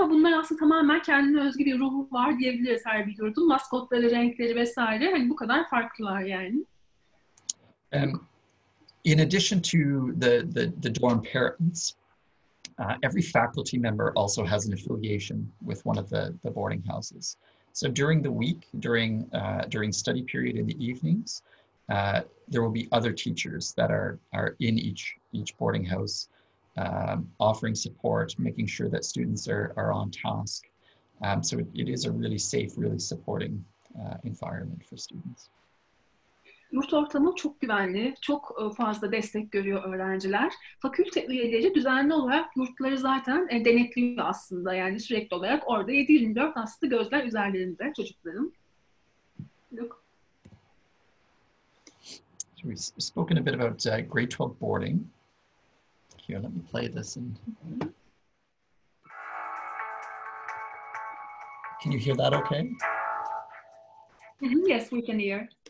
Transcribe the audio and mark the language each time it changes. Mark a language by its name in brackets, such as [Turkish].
[Turkish] Ama bunlar aslında tamamen kendine özgü bir ruhu var diyebiliriz her bir yurdun. Maskotları, renkleri vesaire. Hani bu kadar farklılar yani. [English] In addition to the dorm parents, every faculty member also has an affiliation with one of the boarding houses. So during the week, during study period in the evenings, there will be other teachers that are in each boarding house, offering support, making sure that students are on task. So it is a really safe, really supporting environment for students. [Turkish] Yurt ortamı çok güvenli, çok fazla destek görüyor öğrenciler. Fakülte üyeleri düzenli olarak yurtları zaten denetliyor aslında. Yani sürekli olarak orada 7/24 aslında gözler üzerlerinde çocukların. [English] Look. So we've spoken a bit about grade 12 boarding. Here, let me play this. And... Can you hear that okay? Yes, we can hear.